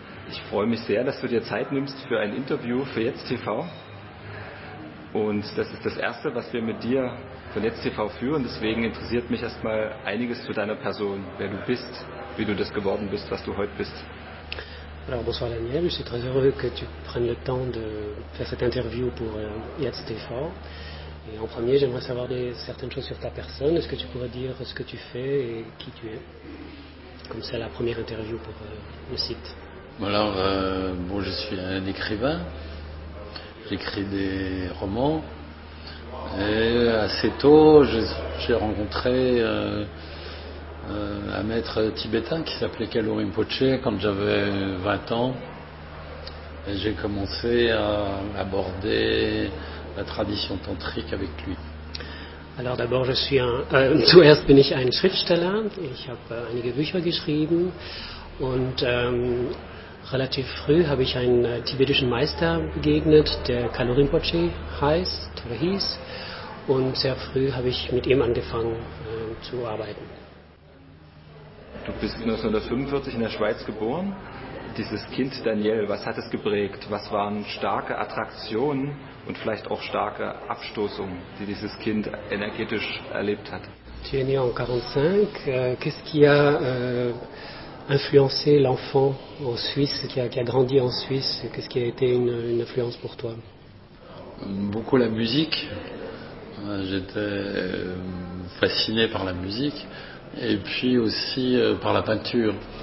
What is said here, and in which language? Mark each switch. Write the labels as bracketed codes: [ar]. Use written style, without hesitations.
[de] Ich freue mich sehr, dass du dir Zeit nimmst für ein Interview für Jetzt TV. Und das ist das erste, was wir mit dir von Jetzt TV führen. Deswegen interessiert mich erstmal einiges zu deiner Person, wer du bist, wie du das geworden bist, was du heute bist. [fr] Alors bonsoir Daniel, je suis très heureux que tu prennes le temps de faire cette interview pour Jetzt TV. Et en premier, j'aimerais savoir certaines choses sur ta personne. Est-ce que tu pourrais dire ce que tu fais et qui tu es? Comme c'est la première interview pour le site. Alors, je suis un écrivain. J'écris des romans. Et assez tôt, j'ai rencontré un maître tibétain qui s'appelait Kalo Rinpoche quand j'avais 20 ans. Et j'ai commencé à aborder la tradition tantrique avec lui. Alors d'abord, je suis [de] zuerst bin ich ein Schriftsteller. Ich habe einige Bücher geschrieben und relativ früh habe ich einen tibetischen Meister begegnet, der Kalo Rinpoche heißt oder hieß. Und sehr früh habe ich mit ihm angefangen zu arbeiten. Du bist 1945 in der Schweiz geboren. Dieses Kind Daniel, was hat es geprägt? Was waren starke Attraktionen und vielleicht auch starke Abstoßungen, die dieses Kind energetisch erlebt hat? [fr] Tu es né en 45. Qu'est-ce qui a influencé l'enfant en Suisse, qui a grandi en Suisse? Qu'est-ce qui a été une influence pour toi? Beaucoup la musique. J'étais fasciné par la musique et puis aussi par la peinture.